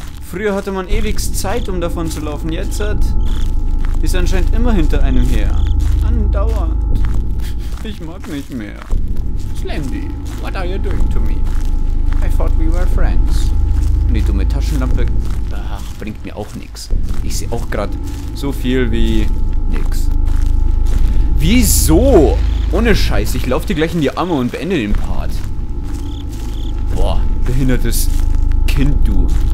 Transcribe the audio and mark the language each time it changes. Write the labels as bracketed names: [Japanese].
[German] Früher hatte man ewig Zeit, um davon zu laufen. Jetzt ist er anscheinend immer hinter einem her. Andauernd. Ich mag nicht mehr. [English] Slendy, what are you doing to me? I thought we were friends. [German] Die dumme Taschenlampe, ach, bringt mir auch nichts. Ich sehe auch gerade so viel wie nix. Wieso? Ohne Scheiß, ich laufe dir gleich in die Arme und beende den Part. Boah, behindertes Kind, du.